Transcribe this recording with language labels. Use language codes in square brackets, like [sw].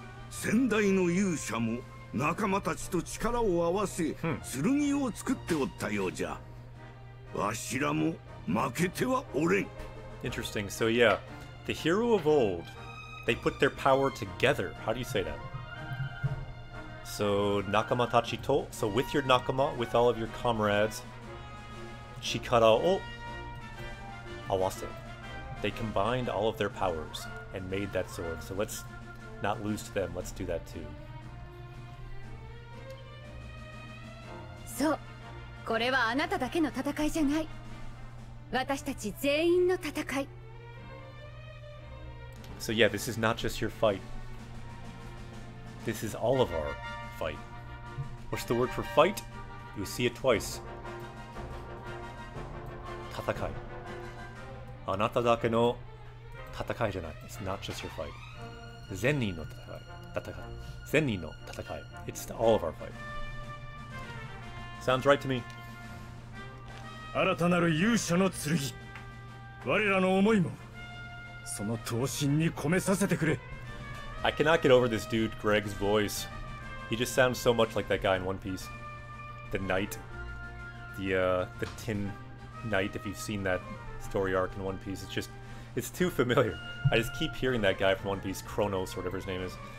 [ja] 先代の勇者も仲間たちと力を合わせ剣を作っておったようじゃ。わしらも負けてはおれん。 [en] Interesting. So yeah, the hero of old, they put their power together. How do you say that? So [ja] nakama tachi to, [en] so with your nakama, with all of your comrades, [ja] chikara o awase. [en] They combined all of their powers and made that sword. So let's not lose to them. Let's do that too. [ja] So, これはあなただけの戦いじゃない。私たち全員の戦い。 [en] So yeah, this is not just your fight. This is all of our fight. What's the word for fight? You see it twice. [ja] 戦い。あなただけの戦いじゃない。 [en] It's not just your fight. [ja] 全人の戦い。全人の戦い。 [en] It's all of our fight. Sounds right to me. [ja] 新たなる勇者の剣。我らの思いも、その闘神に込めさせてくれ。 [en] I cannot get over this dude, Greg's voice. He just sounds so much like that guy in One Piece. The knight. The tin knight, if you've seen that story arc in One Piece. It's just, it's too familiar. I just keep hearing that guy from One Piece, Kronos, or whatever his name is.